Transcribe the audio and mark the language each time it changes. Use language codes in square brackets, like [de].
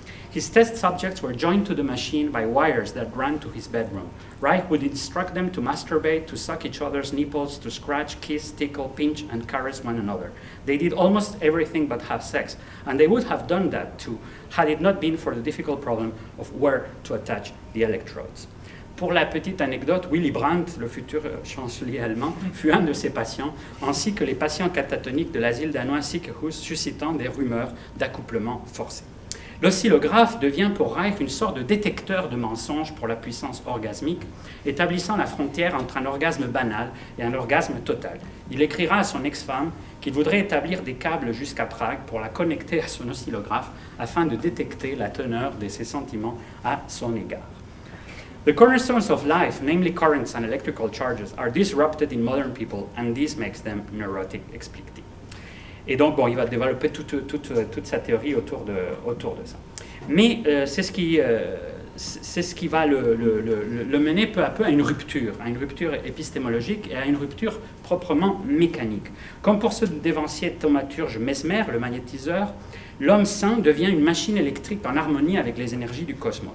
[en] His test subjects were joined to the machine by wires that ran to his bedroom. Reich would instruct them to masturbate, to suck each other's nipples, to scratch, kiss, tickle, pinch, and caress one another. They did almost everything but have sex, and they would have done that too, had it not been for the difficult problem of where to attach the electrodes. [fr] Pour la petite anecdote, Willy Brandt, le futur chancelier allemand, fut un de ses patients, ainsi que les patients catatoniques de l'asile danois Sikkehus, suscitant des rumeurs d'accouplement forcé. L'oscillographe devient pour Reich une sorte de détecteur de mensonges pour la puissance orgasmique, établissant la frontière entre un orgasme banal et un orgasme total. Il écrira à son ex-femme qu'il voudrait établir des câbles jusqu'à Prague pour la connecter à son oscillographe afin de détecter la teneur de ses sentiments à son égard. [en] The cornerstones of life, namely currents and electrical charges, are disrupted in modern people, and this makes them neurotic, [fr] explique-t-il. Et donc, bon, il va développer toute sa théorie autour de ça. Mais c'est ce qui va le mener peu à peu à une rupture épistémologique et à une rupture proprement mécanique. Comme pour ce dévancier thaumaturge Mesmer, le magnétiseur, l'homme saint devient une machine électrique en harmonie avec les énergies du cosmos.